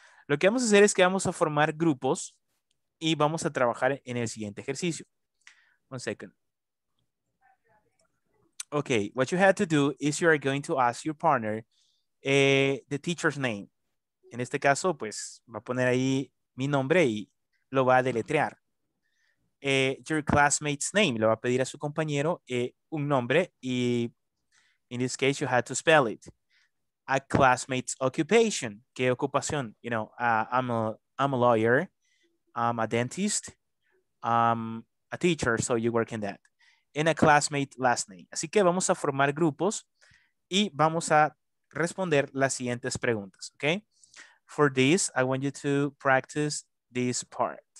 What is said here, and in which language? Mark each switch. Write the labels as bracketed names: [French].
[Spanish] Lo que vamos a hacer es que vamos a formar grupos y vamos a trabajar en el siguiente ejercicio. [English] One second. Okay, what you had to do is you are going to ask your partner the teacher's name. [Spanish] En este caso, pues, va a poner ahí mi nombre y lo va a deletrear. [English] Your classmate's name. [Spanish] Le va a pedir a su compañero un nombre y [English] in this case, you had to spell it. A classmate's occupation. [Spanish] ¿Qué ocupación? [English] You know, I'm a lawyer. I'm a dentist. I'm a teacher, so you work in that. En a classmate last name. [Spanish] Así que vamos a formar grupos y vamos a responder las siguientes preguntas, ¿ok? [English] For this, I want you to practice this part.